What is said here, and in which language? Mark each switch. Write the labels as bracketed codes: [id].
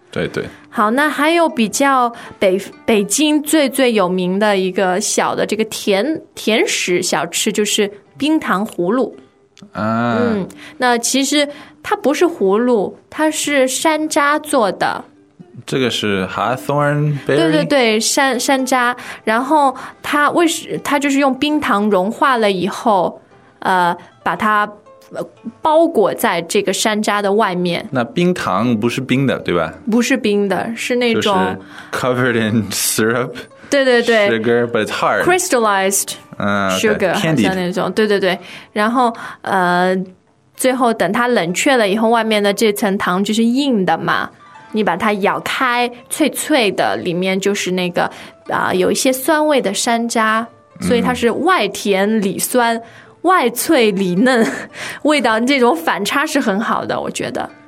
[zh] 对对。好，那还有比较北京最最有名的一个小的这个甜食小吃，就是冰糖葫芦。啊，嗯，那其实它不是葫芦，它是山楂做的。这个是 Hawthorn Berry。对对对，山楂。然后它就是用冰糖融化了以后把它包裹在这个山楂的外面。那冰糖不是冰的对吧？不是冰的，是那种、就是、 [en] covered in syrup。对对对， sugar but it's hard crystallized sugar、 okay. [zh] 像那种。对对对，然后最后等它冷却了以后，外面的这层糖就是硬的嘛，你把它咬开，脆脆的，里面就是那个有一些酸味的山楂，所以它是外甜里酸、外脆里嫩，味道这种反差是很好的，我觉得。